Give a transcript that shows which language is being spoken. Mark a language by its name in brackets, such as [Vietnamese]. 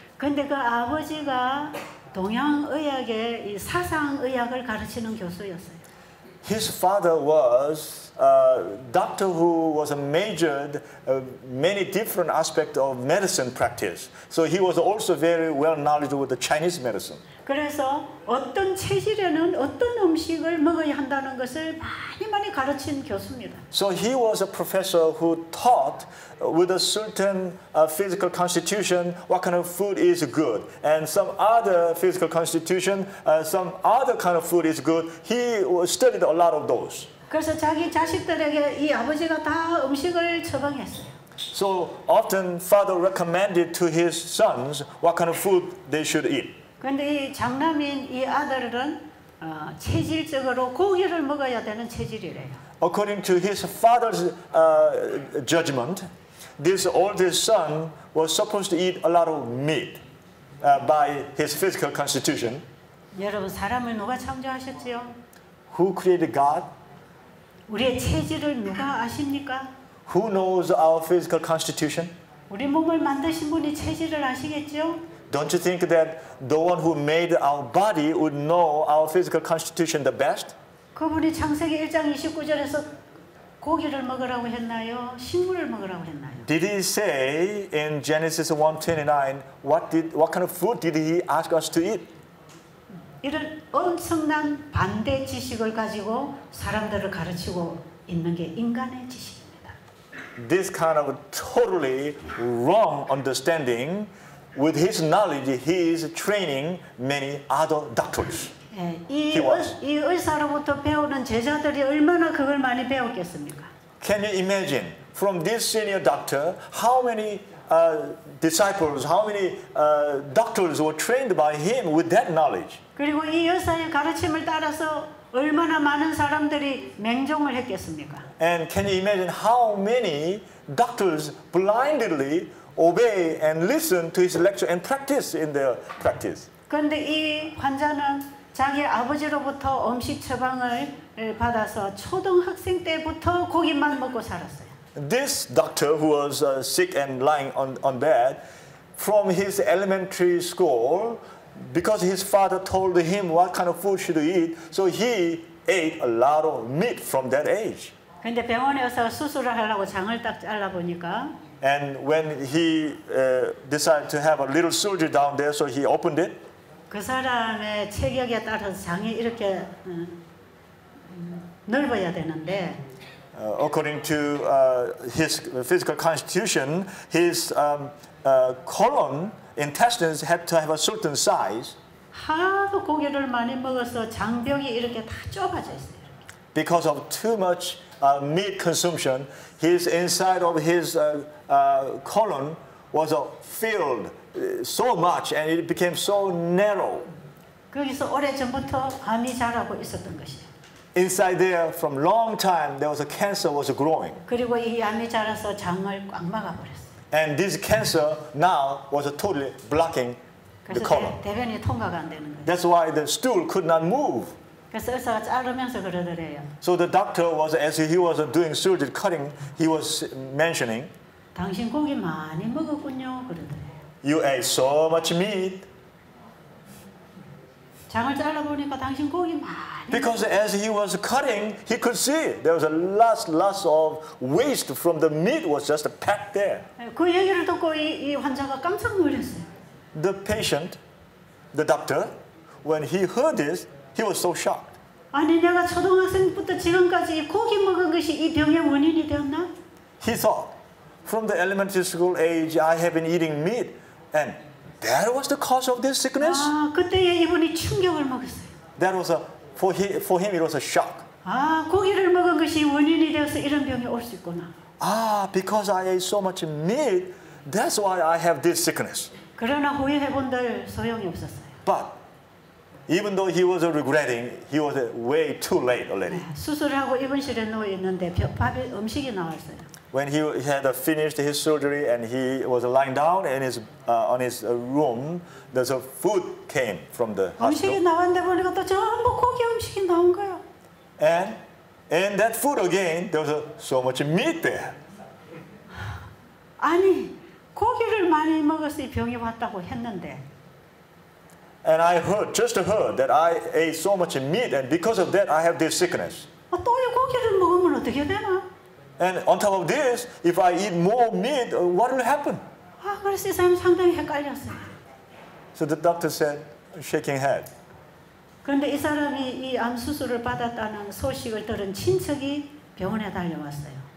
[Korean] 근데 그 아버지가 동양의학의 이 사상의학을 가르치는 교수였어요. [English] His father was a doctor who was a majored many different aspects of medicine practice. So he was also very well knowledgeable with the Chinese medicine. [Korean] 그래서 어떤 체질에는 어떤 음식을 먹어야 한다는 것을 많이 많이 가르친 교수입니다. [English] So he was a professor who taught with a certain physical constitution what kind of food is good, and some other physical constitution, some other kind of food is good. He studied a lot of those. [Korean] 그래서 자기 자식들에게 이 아버지가 다 음식을 처방했어요. [English] So often father recommended to his sons what kind of food they should eat. [Korean] 근데 이 장남인 이 아들은 체질적으로 고기를 먹어야 되는 체질이래요. [English] According to his father's judgment, this oldest son was supposed to eat a lot of meat by his physical constitution. [Korean] 여러분, 사람을 누가 창조하셨지요? [English] Who created God? [Korean] 우리의 체질을 누가 아십니까? [English] Who knows our physical constitution? [Korean] 우리 몸을 만드신 분이 체질을 아시겠죠? [English] Don't you think that the one who made our body would know our physical constitution the best? [Korean] 그분이 창세기 1장 29절에서 고기를 먹으라고 했나요? 식물을 먹으라고 했나요? [English] Did he say in Genesis 1:29 what kind of food did he ask us to eat? [Korean] 이런 엄청난 반대 지식을 가지고 사람들을 가르치고 있는 게 인간의 지식입니다. [English] This kind of totally wrong understanding. With his knowledge, he is training many other doctors. [Korean] 이 의사로부터 배우는 제자들이 얼마나 그걸 많이 배웠겠습니까? [English] Can you imagine from this senior doctor how many disciples, how many doctors were trained by him with that knowledge? [Korean] 그리고 이 의사의 가르침을 따라서 얼마나 많은 사람들이 맹종을 했겠습니까? [English] And can you imagine how many doctors blindly obey and listen to his lecture and practice in their practice. [Korean] 그런데 이 환자는 자기 아버지로부터 음식 처방을 받아서 초등학생 때부터 고기만 먹고 살았어요. [English] This doctor who was sick and lying on bed from his elementary school, because his father told him what kind of food should he eat, so he ate a lot of meat from that age. [Korean] 그런데 병원에서 수술을 하려고 장을 딱 잘라 보니까. [English] And when he decided to have a little surgery down there, so he opened it. [Korean] 그 사람의 체격에 따라서 장이 이렇게 넓어야 되는데. [English] According to his physical constitution, his colon, intestines had to have a certain size. [Korean] 하도 고기를 많이 먹어서 장벽이 이렇게 다 좁아져 있어요. 이렇게. [English] Because of too much meat consumption, his inside of his colon was filled so much, and it became so narrow. [Korean] 거기서 오래 전부터 암이 자라고 있었던 것이에요. [English] Inside there, from long time, there was a cancer was growing. [Korean] 그리고 이 암이 자라서 장을 꽉 막아버렸어요. [English] And this cancer now was totally blocking the colon. [Korean] 대변이 통과가 안 되는 거예요. [English] That's why the stool could not move. [Korean] 그래서 의사가 자르면서 그러더래요. [English] So the doctor was, as he was doing surgery cutting, he was mentioning. [Korean] 당신 고기 많이 먹었군요. 그러더래요. [English] You ate so much meat. [Korean] 장을 잘라보니까 당신 고기 많이. [English] Because as he was cutting, he could see there was a lot of waste from the meat was just packed there. [Korean] 그 얘기를 듣고 이 환자가 깜짝 놀랐어요. [English] The patient, the doctor, when he heard this, he was so shocked. [Korean] 아니 내가 초등학생부터 지금까지 고기 먹은 것이 이 병의 원인이 되었나? [English] He thought, from the elementary school age, I have been eating meat and. That was the cause of this sickness. [Korean] 아, 그때에 이분이 충격을 먹었어요. [English] That was for him it was a shock. [Korean] 아, 고기를 먹은 것이 원인이 되어서 이런 병이 올 수 있구나. [English] Ah, because I ate so much meat, that's why I have this sickness. [Korean] 그러나 후회해 본들 소용이 없었어요. [English] But even though he was regretting, he was way too late already. [Korean] 수술을 하고 입원실에 누워 있는데 밥이 음식이 나왔어요. [English] When he had finished his surgery and he was lying down in his on his room, there's a food came from the hospital. [Korean] 음식이 나왔는데 보니까 또 전부 고기 음식이 나온 거야. [English] And in that food again, there was so much meat there. [Korean] 아니 고기를 많이 먹어서 이 병이 왔다고 했는데. [English] And I heard that I ate so much meat, and because of that, I have this sickness. [Korean] 아, 또 이 고기를 먹으면 어떻게 되나? [English] And on top of this, if I eat more meat, what will happen? [Korean] 아, 그래서 이 사람 상당히 헷갈렸어요. [English] So the doctor said, shaking head. [Korean] 그런데 이 사람이 이 암 수술을 받았다는 소식을 들은 친척이 병원에 달려왔어요.